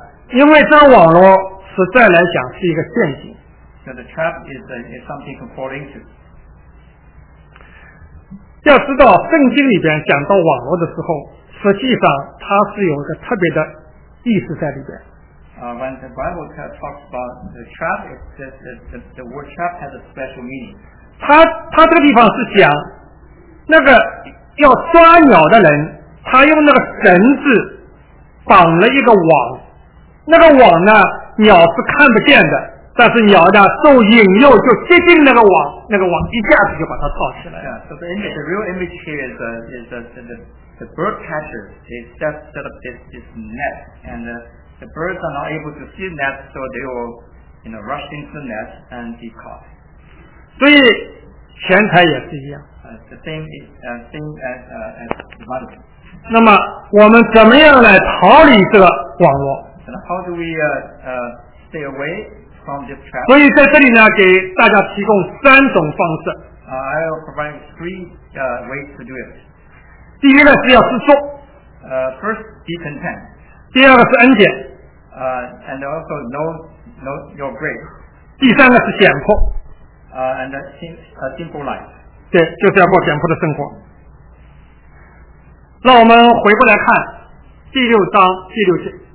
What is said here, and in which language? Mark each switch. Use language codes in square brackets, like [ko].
[zh] 因为这个网络实在来讲是一个陷阱。 [en] So the trap is something you can fall into. [zh] 要知道圣经里边讲到网络的时候，实际上它是有一个特别的意思在里边。 [en] When the Bible talks about the trap, the word trap has a special meaning. [zh] 它这个地方是讲那个要抓鸟的人，他用那个绳子绑了一个网，那个网呢鸟是看不见的，但是鸟呢受引诱就接近那个网，那个网一下子就把它套起来了。 [en] Yeah, so the real image here is the bird catcher. They set up this net, and the birds are not able to see the net, so they will, rush into the net and be caught. [zh] 所以钱财也是一样。 [en] The same as money. [zh] 那么我们怎么样来逃离这个网络？ [en] And how do we stay away? [zh] 所以在这里呢，给大家提供三种方式。 [en] I will provide three ways to do it. [zh] 第一个是要知足。 [en] First, be content. [zh] 第二个是恩典。 [en] And also know your grace. [zh] 第三个是简朴。 [en] And a simple life. [zh] 对，就是要过简朴的生活。那我们回过来看第六章第六节。